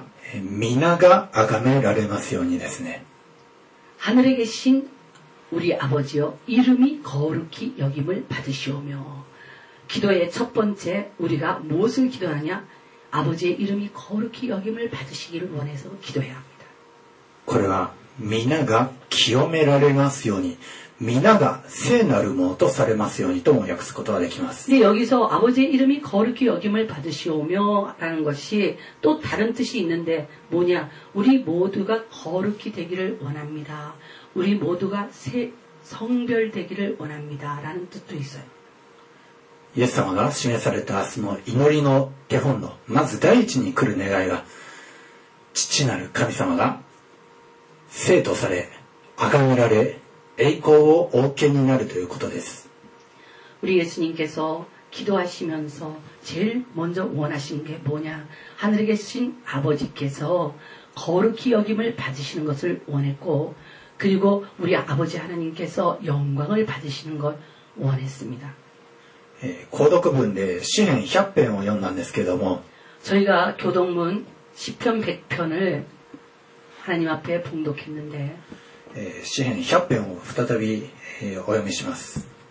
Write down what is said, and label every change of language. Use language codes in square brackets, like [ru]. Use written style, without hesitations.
[ja] このまず第一の、その願いは、皆が崇められますようにですね。 [ko] 하늘에 계신 우리 아버지요, 이름이 거룩히 여김을 받으시오며. 기도의 첫 번째 우리가 무엇을 기도하냐? 아버지의 이름이 거룩히 여김을 받으시기를 원해서 기도해야 합니다. [ja] これは皆が清められますように。皆が 聖なるものとされますようにとも訳すことができます。 [ko] 네, 여기서 아버지의 이름이 거룩히 여김을 받으시오며라는 것이 또 다른 뜻이 있는데 뭐냐? 우리 모두가 거룩히 되기를 원합니다. 우리 모두가 새 성별되기를 원합니다라는 뜻도 있어요. [ja] 예수様が 示された その祈りの手本のまず第一に来る願いが 父なる神様が 聖とされ崇められ 栄光をお受けになるということです。 [ko] 우리 예수님께서 기도하시면서 제일 먼저 원하시는 게 뭐냐? 하늘에 계신 아버지께서 거룩히 여김을 받으시는 것을 원했고, 그리고 우리 아버지 하나님께서 영광을 받으시는 걸 원했습니다. [ja] 購読文で詩篇100編を読んだんですけども、 [ko] 저희가교독문10편100편을하나님앞에봉독했는데 [ja] 詩篇100編を再び、お読みします。